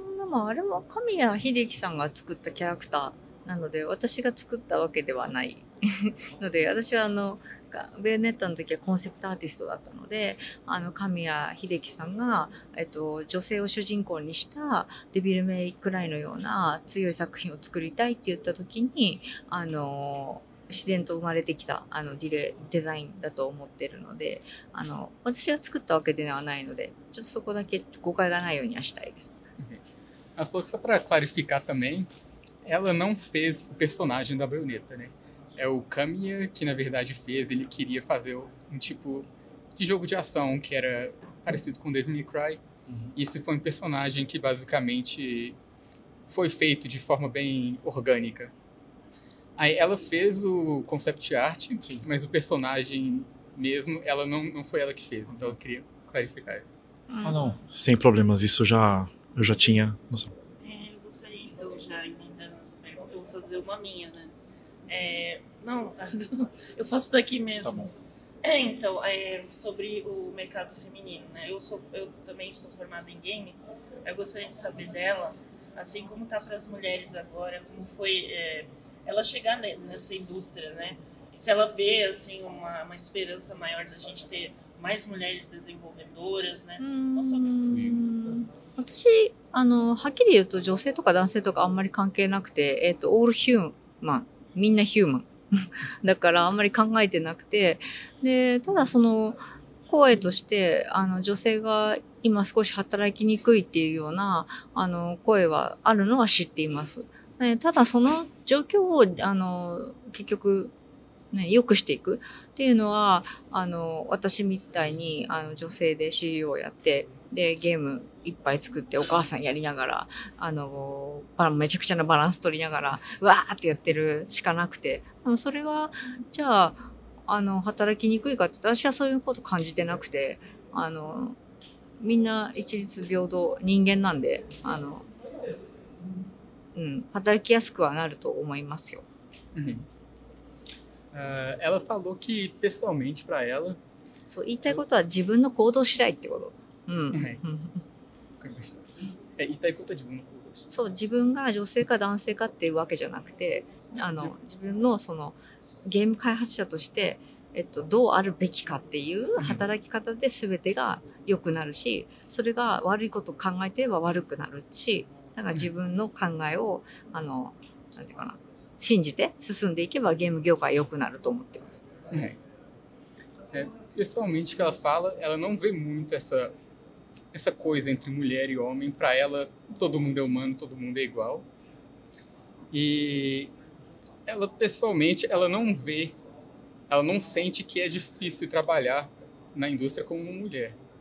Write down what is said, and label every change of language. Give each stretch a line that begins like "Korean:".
Japanese: まあ、あれは神谷秀樹さんが作ったキャラクターなので私が作ったわけではないので私はベヨネッタの時はコンセプトアーティストだったので神谷秀樹さんが、女性を主人公にしたデビルメイクライのような強い作品を作りたいって言った時に自然と生まれてきたデザインだと思ってるので私が作ったわけではないのでちょっとそこだけ誤解がないようにはしたいです。
Portuguese: Ela falou que só para clarificar também, ela não fez o personagem da Bayonetta, né? É o Kamiya que, na verdade, fez. Ele queria fazer um tipo de jogo de ação que era parecido com Devil May Cry. Uhum. Esse foi um personagem que, basicamente, foi feito de forma bem orgânica. Aí ela fez o concept art, sim, mas o personagem mesmo, ela não foi ela que fez. Então, eu queria clarificar isso. Ah, não. Sem problemas. Isso já... Eu já tinha noção. Gostaria, então, já emendando essa pergunta, eu vou fazer uma minha, né? Não, eu faço daqui mesmo. Tá bom. Então, sobre o mercado feminino, né? Eu também sou formada em games. Eu gostaria de saber dela, assim, como tá para as mulheres agora, como foi ela chegar nessa indústria, né? E se ela vê, assim, uma esperança maior da gente ter mais mulheres desenvolvedoras, né? Não só comigo.
Japanese: 私、あの、はっきり言うと女性とか男性とかあんまり関係なくて、オールヒューマン、みんなヒューマン。だからあんまり考えてなくて、で、ただその声として、あの、女性が今少し働きにくいっていうような、あの、声はあるのは知っています。で、ただその状況を、あの、結局、ね、良くしていくっていうのは、あの、私みたいに、あの、女性で CEO をやって、で、ゲームいっぱい作ってお母さんやりながら、あの、めちゃくちゃなバランス取りながら、わーってやってるしかなくて、それが、じゃあ、あの、働きにくいかって、私はそういうこと感じてなくて、あの、みんな一律平等、人間なんで、あの、うん、働きやすくはなると思いますよ。うん。
Portuguese: Ela falou que pessoalmente para ela.
Japanese: そう、言いたいことは自分の行動次第ってこと。わかりました。言いたいことは自分の行動次第。そう、自分が女性か男性かっていうわけじゃなくて、あの、自分のそのゲーム開発者として、どうあるべきかっていう働き方で全てが良くなるし、それが悪いことを考えてれば悪くなるし、だから自分の考えを、あの、なんていうかな。信じて進んでいけばゲーム業界良くなると思ってます。はい。
Portuguese: Pessoalmente que ela fala, ela não vê muito essa coisa entre mulher e homem. Para ela, todo mundo é humano, todo mundo é igual. E ela pessoalmente, ela não sente que é difícil trabalhar na indústria como uma mulher.